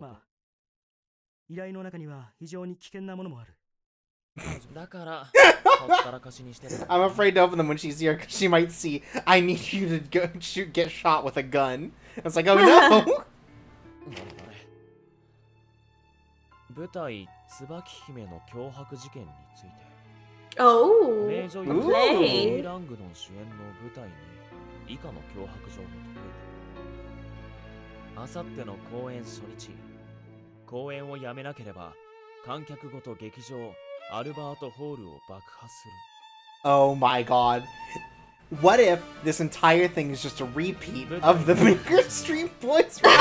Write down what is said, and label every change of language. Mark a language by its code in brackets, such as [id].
[ja] まあ、依頼の中には非常に危険なものもある。だから、ほったらかしにしてる。 [en] I'm afraid to open them when she's here, because she might see I need you to go shoot, get shot with a gun. It's like, oh no! [ja] 舞台椿姫の脅迫事件について。 [en] Oh, play! [ja] ラングドン主演の舞台に以下の脅迫状を届けた。明後日の公演初日、公演をやめなければ観客ごと劇場アルバートホールを爆破する。 [en] Oh my god! What if this entire thing is just a repeat of the Baker Street Boys?